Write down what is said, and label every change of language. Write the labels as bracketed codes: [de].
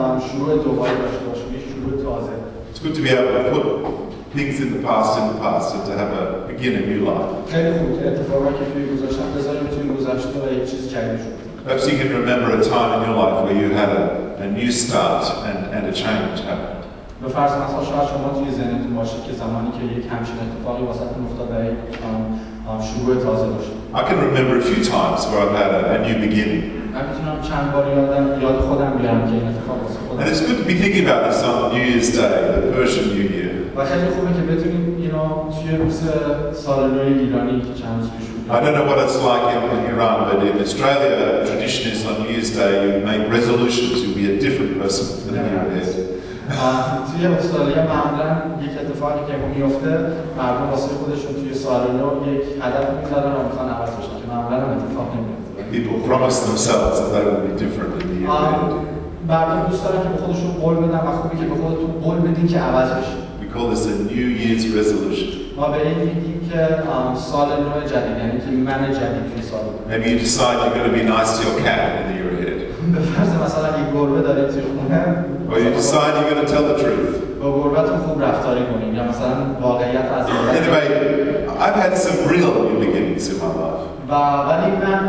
[en] It's good to be able to put things in the past and to have a begin a new life. Perhaps you can remember a time in your life where you had a new start and a change happened. [fa] به فرض مثلا شاید شما توی ذهنتون باشه که زمانی که یک همچین اتفاقی واسهتون افتاد و یک شروع تازه باشه. [en] I can remember a few times where I've had a new beginning. [fa] من میتونم چند بار یاد خودم بیارم که این اتفاق واسه خودم. [en] And it's good to be thinking about this on New Year's Day, the Persian New Year. [fa] و خیلی خوبه که بتونیم اینو توی روز سال نو ایرانی که چند روز پیش [en] I don't know what it's like in Iran, but in Australia, the tradition is on New Year's Day you make resolutions, you'll be a different person than you were then. [fa] توی استرالیا معمولا یک اتفاقی که میفته مردم واسه خودشون توی سال نو یک هدف میذارن و میخوان عوض بشن که معمولا هم اتفاق نمیفته. [en] People promise themselves that they will be different in the year end. [fa] مردم دوست دارن که به خودشون قول بدن و خوبی که به خودتون قول بدین که عوض بشین. [en] We call this a New Year's resolution. [fa] ما به این میگیم که سال نو جدید یعنی که من جدید توی سال نو. [en] Maybe you decide you're going to be nice to your cat in the year ahead. [fa] به فرض مثلا یک گربه داری توی خونه [en] Or you decide you're going to tell the truth. Anyway, I've had some real new beginnings in my life.